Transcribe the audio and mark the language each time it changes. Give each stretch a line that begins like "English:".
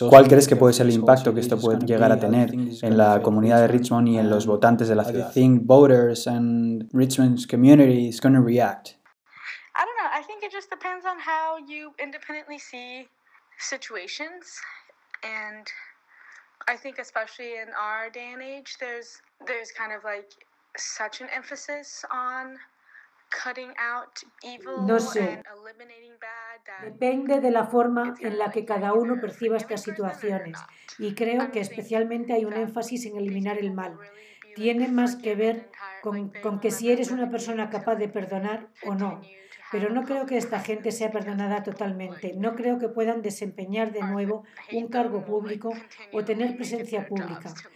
Spanish: ¿Cuál crees que puede ser el impacto que esto puede llegar a tener en la comunidad de Richmond y en los votantes de la ciudad?
English: How do you think voters and Richmond's community is going to react? I don't know. I think it just depends on how you independently see situations, and I think especially in our day and age, there's kind of like such an emphasis on cutting out evil and eliminating bad.
Spanish: Depende de la forma en la que cada uno perciba estas situaciones, y creo que especialmente hay un énfasis en eliminar el mal. Tiene más que ver con que si eres una persona capaz de perdonar o no. Pero no creo que esta gente sea perdonada totalmente. No creo que puedan desempeñar de nuevo un cargo público o tener presencia pública.